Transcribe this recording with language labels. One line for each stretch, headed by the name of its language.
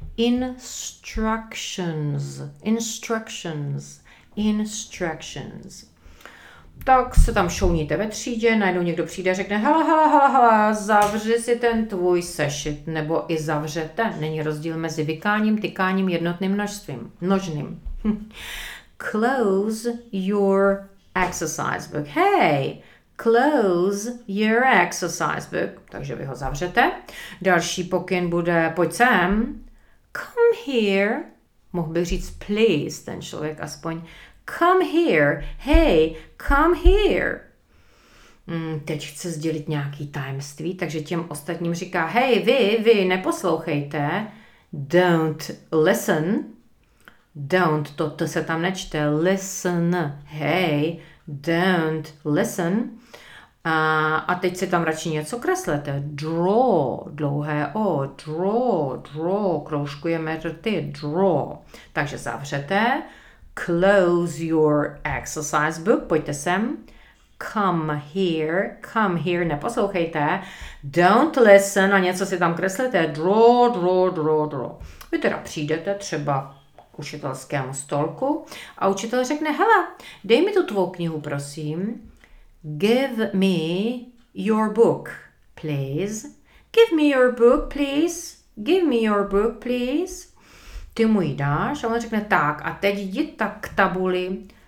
English: Instructions. Instructions. Instructions.
Czech: Tak se tam šouníte ve třídě, najednou někdo přijde a řekne hele, zavři si ten tvůj sešit, nebo i zavřete. Není rozdíl mezi vykáním, tykáním, jednotným množstvím. Množným.
English: Close your exercise book. Hey, close your exercise book.
Czech: Takže vy ho zavřete. Další pokyn bude, pojď sem.
English: Come here.
Czech: Mohl bych říct please, ten člověk aspoň.
English: Come here. Hey, come here.
Czech: Teď chce sdělit nějaký tajemství, takže těm ostatním říká, hej, vy neposlouchejte.
English: Don't listen. Don't,
Czech: to se tam nečte.
English: Listen. Hey, don't listen.
Czech: A teď si tam radši něco kreslete.
English: Draw,
Czech: dlouhé O. Draw, kroužkujeme rty. Draw. Takže zavřete.
English: Close your exercise book.
Czech: Pojďte sem.
English: Come here.
Czech: Neposlouchejte.
English: Don't listen.
Czech: A něco si tam kreslete.
English: Draw.
Czech: Vy teda přijdete třeba k učitelskému stolku a učitel řekne, hele, dej mi tu tvou knihu, prosím.
English: Give me your book, please. Give me your book, please. Give me your book, please.
Czech: Ty mu ji dáš a on řekne tak a teď jdi tak k tabuli.